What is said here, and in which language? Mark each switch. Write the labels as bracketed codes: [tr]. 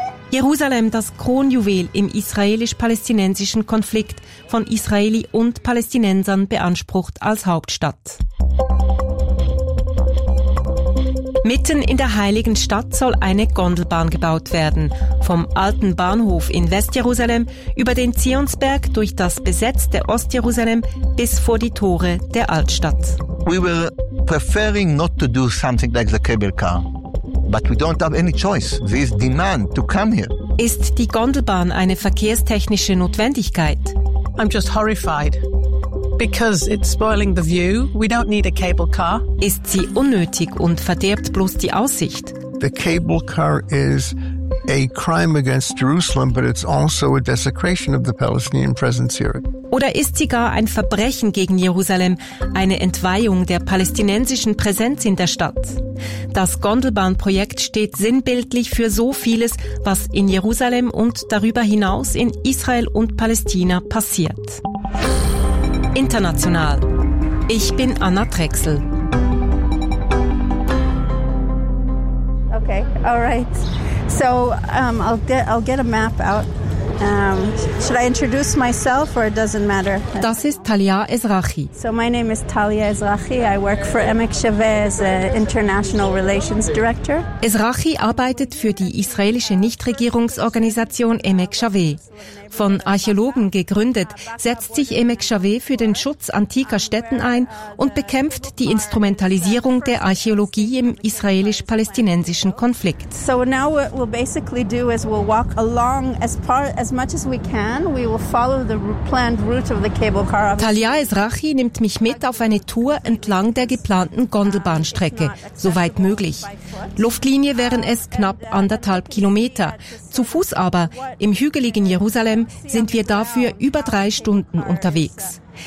[de] Jerusalem, das Kronjuwel im israelisch-palästinensischen Konflikt, von Israeli und Palästinensern beansprucht als Hauptstadt. Mitten in der heiligen Stadt soll eine Gondelbahn gebaut werden. Vom alten Bahnhof in Westjerusalem über den Zionsberg durch das besetzte Ostjerusalem bis vor die Tore der Altstadt. [en] We were preferring not to do something like the cable car, but we don't have any choice. There is demand to come here. [de] Ist die Gondelbahn eine verkehrstechnische Notwendigkeit? [en] I'm just horrified. Because it's spoiling the view, we don't need a cable car. [de] Ist sie unnötig und verderbt bloß die Aussicht? [en] The cable car is a crime against Jerusalem, but it's also a desecration of the Palestinian presence here. [de] Oder ist sie gar ein Verbrechen gegen Jerusalem, eine Entweihung der palästinensischen Präsenz in der Stadt? Das Gondelbahnprojekt steht sinnbildlich für so vieles, was in Jerusalem und darüber hinaus in Israel und Palästina passiert. International. Ich bin Anna Drexel. [en] Okay, all right. So, I'll get a map out. Should I introduce myself or it doesn't matter? [de] Das ist Talia Ezrachi. [en] So my name is Talia Ezrachi. I work for Emek Shaveh as an international relations director. [de] Ezrachi arbeitet für die israelische Nichtregierungsorganisation Emek Shaveh. Von Archäologen gegründet, setzt sich Emek Shaveh für den Schutz antiker Stätten ein und bekämpft die Instrumentalisierung der Archäologie im israelisch-palästinensischen Konflikt. [en] So now what we'll basically do is we'll walk along as much as we can, we will follow the planned route of the cable car. [de] Talia Ezrachi nimmt mich mit auf eine Tour entlang der geplanten Gondelbahnstrecke, soweit möglich. Luftlinie wären es knapp 1,5 Kilometer. Zu Fuß aber, im hügeligen Jerusalem, sind wir dafür über 3 Stunden unterwegs.